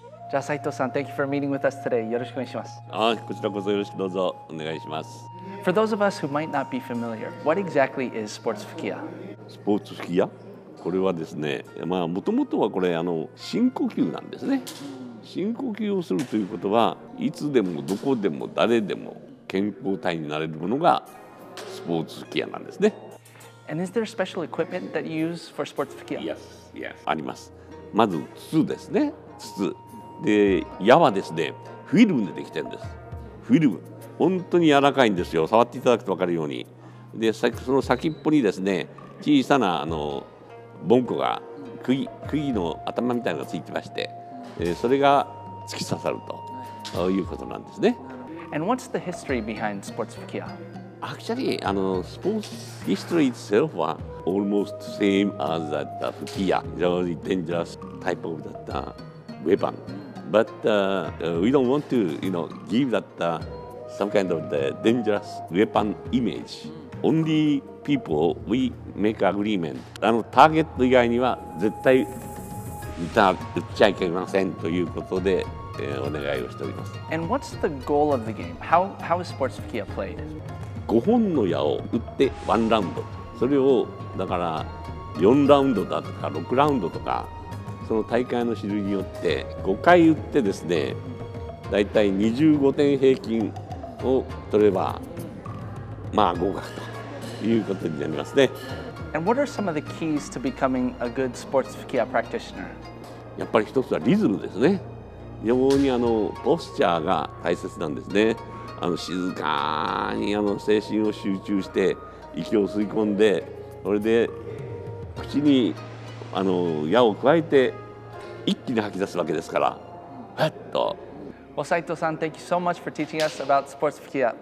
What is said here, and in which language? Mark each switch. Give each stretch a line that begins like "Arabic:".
English: じゃあ斉藤さん、Thank you for meeting with us today.
Japanese: よろしくお願いします。あ、こちらこそよろしくどうぞお願いします。
English: For those of us who might not be familiar, what exactly is sports fukia?
Japanese: スポーツ fukia? これはですね、まあ元々はこれ深呼吸なんですね。深呼吸をするということは、いつでもどこでも誰でも健康体になれるものがスポーツ fukia なんですね。
English: And is there special equipment that you use for sports fukia? Yes, yes.
Japanese: あります。まず筒ですね、筒。で矢はですねフィルムでできてるんです。フィルム本当に柔らかいんですよ。触っていただくと分かるように。でその先っぽにですね小さなボンコが釘の頭みたいなのがついてまして、それが突き刺さるということなんですね。
English: And what's the history behind sports fukia? Actually sports history itself は almost same as that fukia, very dangerous type of that weaponBut we don't want to, give that some kind of the dangerous weapon image. Only people we make agreement.
Japanese: ターゲット以外には絶対撃っちゃいけませんということで、お願いをしております。
English: And what's the goal of the game? How is sports fukia played?
Japanese: 5本の矢を撃って1ラウンド。それをだから4ラウンドだとか6ラウンドとか。その大会の種類によって5回打ってですね、だいたい25点平均を取れば、まあ合格ということになりますね。
English: And what are some of the keys to becoming a good sports fukia practitioner?
Japanese: やっぱり一つはリズムですね。非常にポスチャーが大切なんですね。静かに精神を集中して息を吸い込んで、それで口に矢を加えて一気に吐き出すわけですから、ふっと。
English: Well, Saito-san, thank you so much for teaching us about sports fukia.